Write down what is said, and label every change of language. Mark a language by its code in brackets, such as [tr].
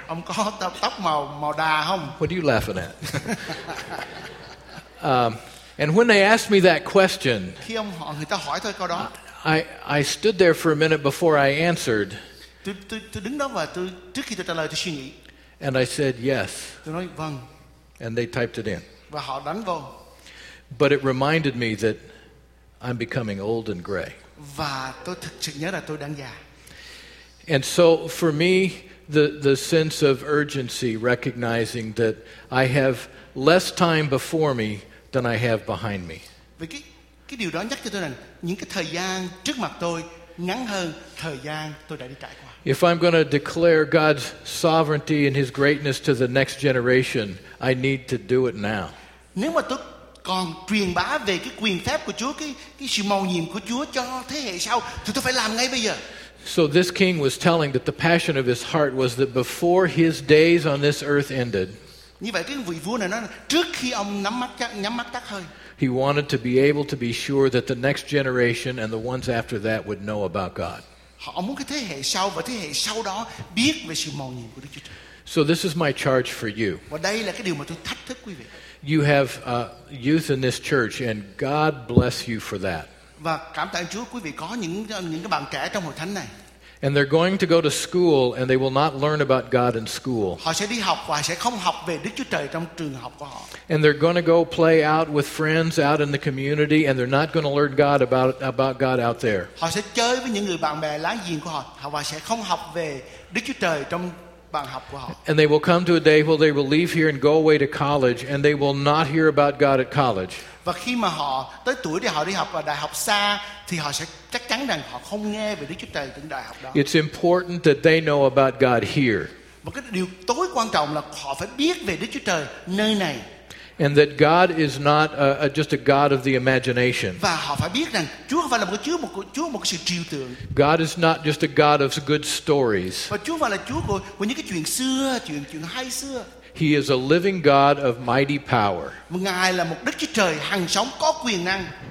[vi] Ông có tóc màu màu đà không? [en] What are you laughing at? And when they asked me that question, [vi] khi ông họ người ta hỏi tôi câu đó, [en] I stood there for a minute before I answered. [vi] Tôi đứng đó và trước khi tôi trả lời tôi suy nghĩ. [en] And I said yes. [vi] Tôi nói vâng. [en] And they typed it in. [vi] Và họ đánh vô. [en] But it reminded me that I'm becoming old and gray. [vi] Và tôi thực sự nhớ là tôi đang già. [en] And so for me, the sense of urgency, recognizing that I have less time before me than I have behind me. [vi] Vì cái điều đó nhắc cho tôi rằng những cái thời gian trước mặt tôi ngắn hơn thời gian tôi đã đi trải qua. [en] If I'm going to declare God's sovereignty and His greatness to the next generation, I need to do it now. [vi] Nếu mà tôi còn truyền bá về cái quyền phép của Chúa, cái sự mầu nhiệm của Chúa cho thế hệ sau, thì tôi phải làm ngay bây giờ. [en] So this king was telling that the passion of his heart was that before his days on this earth ended, [vi] như vậy cái vị vua này nói, trước khi ông nhắm mắt tắt hơi, [en] he wanted to be able to be sure that the next generation and the ones after that would know about God. [vi] Ông muốn cái thế hệ sau và thế hệ sau đó biết về sự mầu nhiệm của Đức Chúa Trời. [en] So this is my charge for you. [vi] Và đây là cái điều mà tôi thách thức quý vị. [en] You have youth in this church, and God bless you for that. [vi] Và cảm tạ Chúa quý vị có những cái bạn trẻ trong hội thánh này. [en] And they're going to go to school, and they will not learn about God in school. [vi] Họ sẽ đi học và sẽ không học về Đức Chúa Trời trong trường học của họ. [en] And they're going to go play out with friends out in the community, and they're not going to learn God about God out there. [vi] Họ sẽ chơi với những người bạn bè láng giềng của họ và sẽ không học về Đức Chúa Trời trong bàn học của họ. [en] And they will come to a day where they will leave here and go away to college, and they will not hear about God at college. [vi] Và khi mà họ tới tuổi để họ đi học ở đại học xa, thì họ sẽ chắc chắn rằng họ không nghe về Đức Chúa Trời trong đại học đó. [en] It's important that they know about God here. [vi] Và cái điều tối quan trọng là họ phải biết về Đức Chúa Trời nơi này. [en] And that God is not just a God of the imagination. [vi] Và họ phải biết rằng Chúa không phải là một Chúa một sự trừu tượng. [en] God is not just a God of good stories. [vi] Và Chúa không phải là Chúa của những cái chuyện xưa, chuyện hay xưa. [en] He is a living God of mighty power. [vi] Ngài là một Đức Chúa Trời hằng sống có quyền năng.